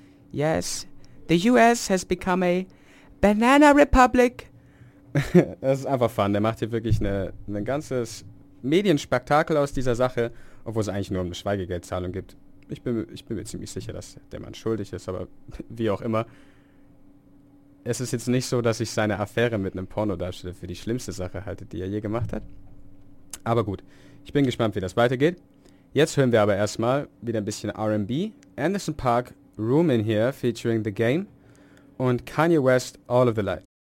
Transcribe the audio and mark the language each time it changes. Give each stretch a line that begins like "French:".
English: Yes, the US has become a Banana Republic.
German: Das ist einfach fun. Der macht hier wirklich ein ganzes Medienspektakel aus dieser Sache, obwohl es eigentlich nur um eine Schweigegeldzahlung gibt. Ich bin mir ziemlich sicher, dass der Mann schuldig ist, aber wie auch immer. Es ist jetzt nicht so, dass ich seine Affäre mit einem Pornodarsteller für die schlimmste Sache halte, die er je gemacht hat. Aber gut, ich bin gespannt, wie das weitergeht. Jetzt hören wir aber erstmal wieder ein bisschen R&B. Anderson Park, Room in Here, featuring The Game. Und Kanye West, All of the Light.